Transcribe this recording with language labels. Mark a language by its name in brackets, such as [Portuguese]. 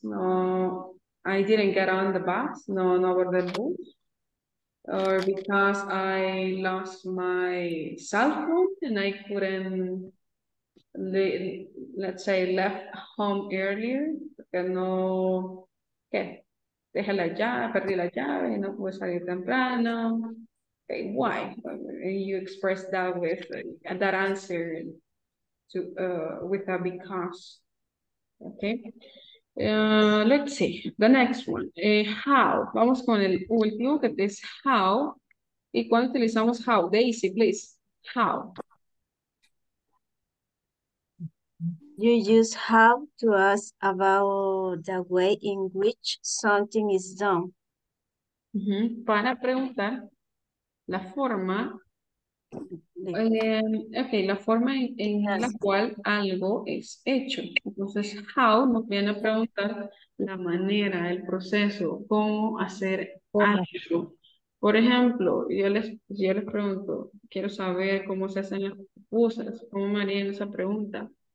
[English] No, I didn't get on the bus. No, no over the bus. Or because I lost my cell phone and I couldn't, let's say, left home earlier. [Spanish] Porque no, ¿qué? Dejé la llave, perdí la llave y no pude salir temprano. [English] Okay, why? You express that with that answer. To, with a because. Okay. Let's see. The next one. How. [Spanish] Vamos con el último que es how. ¿Y cuándo utilizamos how? [English] Daisy, please. How. You use how to ask about the way in which something is done. [Spanish] Mm-hmm. Para preguntar la forma. Okay, la forma en la cual algo es hecho. Entonces, how nos viene a preguntar la manera, el proceso, cómo hacer algo. Por ejemplo, yo les pregunto, quiero saber cómo se hacen las pupusas, cómo me harían esa pregunta.